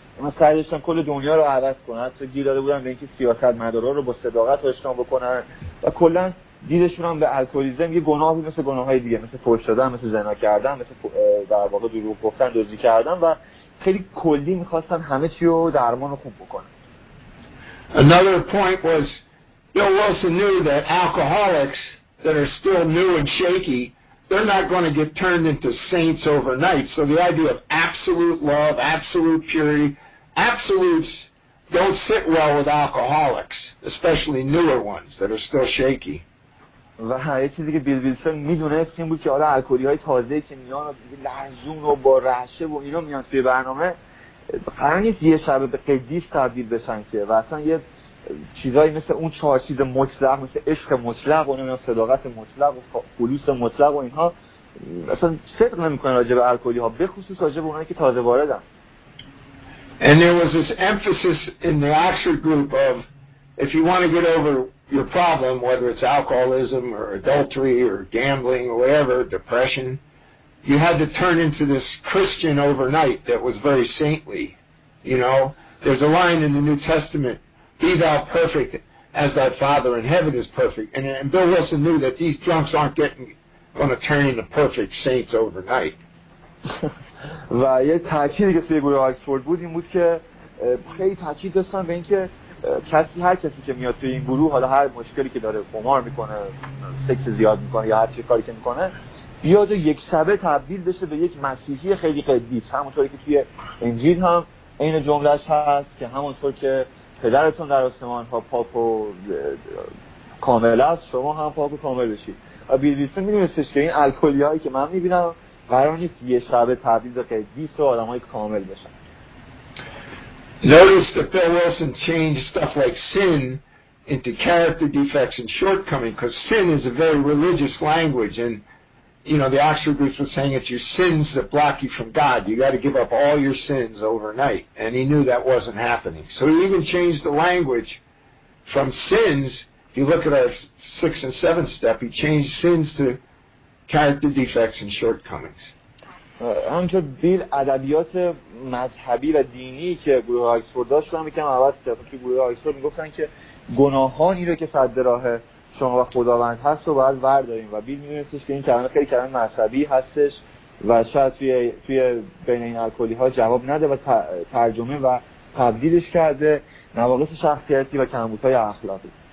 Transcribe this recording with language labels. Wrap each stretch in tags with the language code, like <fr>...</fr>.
<fa>من سعی داشتم کل دنیا رو عوض کنم، حتی گیر داده بودم به اینکه سیاست مدارا رو با صداقت آشنا بکنن و کلا دیدشون هم به الکلیزم یه گناهی مثل گناه‌های دیگه، مثل فحش دادن، مثل زنا کردن، مثل در واقع دروغ گفتن، دزدی کردن، و خیلی کلی می‌خواستن همه چی رو درمان و خوب بکنن.</fa> <en>Another point was Bill Wilson knew that alcoholics that are still new and shaky, they're not going to get turned into saints overnight. So the idea of absolute love, absolute purity, absolutes don't sit well with alcoholics, especially newer ones that are still shaky.</en> <fa>و یه چیزی که بیل ویلسون میدونست این بود که حالا الکلی‌های تازه که میان و لرزون و با رحشه و اینا میان توی برنامه قرار نیست یه شب به قدیس تبدیل بشن که، و اصلا یه چیزایی مثل اون چهار چیز مطلق، مثل عشق مطلق و نمیان صداقت مطلق و خلوص مطلق و اینها اصلا صدق نمی کنن راجع به الکلی‌ها، به خصوص راجع به اونایی که تازه واردن.</fa> <en>And there was this emphasis in the Oxford group of if you want to get over your problem, whether it's alcoholism or adultery or gambling or whatever, depression, you had to turn into this Christian overnight that was very saintly. You know, there's a line in the New Testament, be thou perfect as thy Father in heaven is perfect. And Bill Wilson knew that these drunks aren't getting going to turn into perfect saints overnight.</en> <fa>و یه تأکیدی که توی گروه آکسفورد بود این بود که خیلی تأکید داشتن به اینکه کسی، هر کسی که میاد توی این گروه، حالا هر مشکلی که داره، قمار میکنه، سکس زیاد میکنه یا هر چی کاری که میکنه، بیاد و یک شبه تبدیل بشه به یک مسیحی خیلی قدیس، همونطوری که توی انجیل هم این جملهش هست که همونطور که پدرتون در آسمان ها پاپ و کامل است، شما هم پاپ و کامل بشید. و بیلیسون میدونستش که این الکلی‌هایی که من میبینم قرار نیست یه شبه تبدیل به قدیس و آدم های کامل بشن.</fa> <en>Notice that Bill Wilson changed stuff like sin into character defects and shortcoming, because sin is a very religious language, and you know the Oxford groups were saying it's your sins that block you from God. You got to give up all your sins overnight, and he knew that wasn't happening. So he even changed the language from sins. If you look at our sixth and seventh step, he changed sins to character defects and shortcomings.</en> <fa>همچنین بیل ادبیات مذهبی و دینی که گروه آکسفورد داشت رو هم یکم عوض کرد، چون گروه آکسفورد میگفتن که گناهان اینو که صد راه شما و خداوند هست و باید ورداریم، و بیل میدونستش که این کلمه خیلی کلمه مذهبی هستش و شاید توی بین این الکلی‌ها جواب نده و ترجمه و تبدیلش کرده نواقص شخصیتی و کمبودهای اخلاقی.</fa>